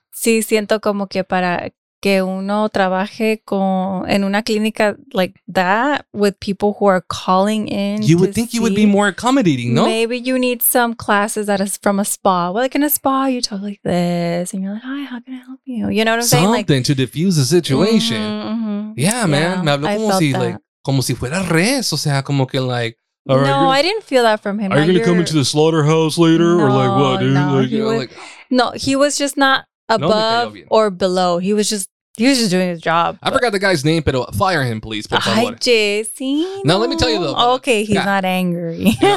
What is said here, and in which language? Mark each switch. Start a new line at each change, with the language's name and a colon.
Spanish: Sí, sí, siento como que para que uno trabaje con en una clínica
English: like that with people who are calling in. You would think you would be more accommodating, no? Maybe you need some classes that is from a spa. Well, like in a spa, you talk like this and you're like, hi, how can I help you? You know what I'm something Something like, to diffuse the situation. Mm-hmm. Yeah, yeah, man.
Spanish: Me habló como si, like, como si fuera res. O sea, como que like,
English: all right, no, I didn't feel that from him. Are you going to come into the slaughterhouse later? No, or like what, dude? No, like, he, you know, was, like, no, he was just not above or below. He was just doing his job. I forgot the guy's name, but fire him, please. Hi, Jesse. Now let me tell you though. Okay, he's not angry.